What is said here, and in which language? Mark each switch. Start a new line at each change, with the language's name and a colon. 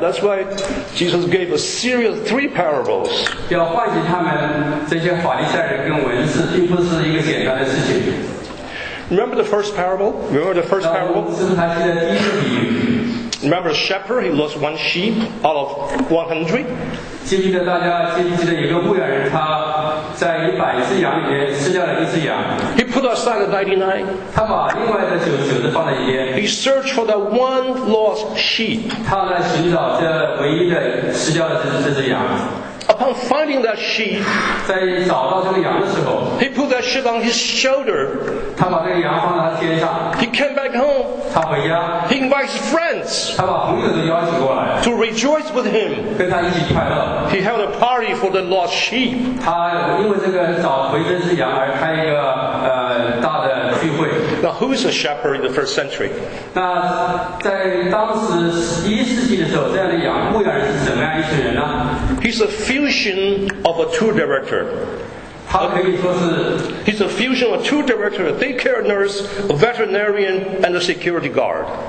English: That's why Jesus gave a series of three parables. Remember the first parable? Remember the shepherd, he lost one sheep out of 100?
Chinese: 记不记得大家记不记得有个牧羊人他在一百只羊里面失掉了一只羊。
English: He put aside the 99.
Chinese: 他把另外的99的放在一边。
English: He searched for that one lost sheep.
Chinese: 他来寻找这唯一的失掉的这只羊。
English: Upon finding that sheep,
Chinese: 在找到这个羊的时候
English: he put that sheep on his shoulder.
Chinese: 他把这个羊放在他肩上。
English: He came back home.
Chinese: 他回家。
English: He invites friends.
Chinese: 他把朋友都邀请过来。
English: To rejoice with him.
Chinese: 跟他一起快乐。
English: He held a party for the lost sheep.
Chinese: 他因为这个找回这只羊而开一个大的聚会。
English: Now who is a shepherd in the first century?
Chinese: 那在当时一世纪的时候，这样的羊牧羊人是怎么样一群人呢？
English: He's a fusion of a tour director. A daycare nurse, a veterinarian, and a security guard.